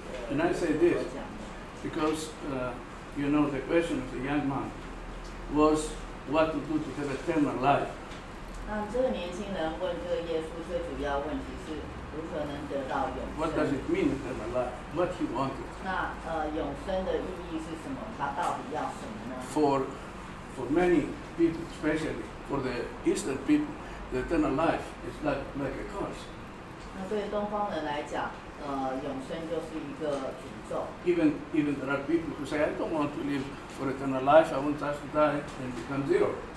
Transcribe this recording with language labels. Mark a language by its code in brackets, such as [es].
[en] And I say this because you know the question of the young man was what to do to have eternal life. [zh] 那这个年轻人问这个耶稣最主要问题是如何能得到永生。 [en] What does it mean, eternal life? What he wanted? [zh] 那永生的意义是什么？他到底要什么呢？ [en] For many people, especially for the Eastern people, the eternal life is like a curse. [zh] 那对东方人来讲，永生就是一个诅咒。 [en] Even there are people who say, I don't want to live for eternal life. I want just to die and become zero.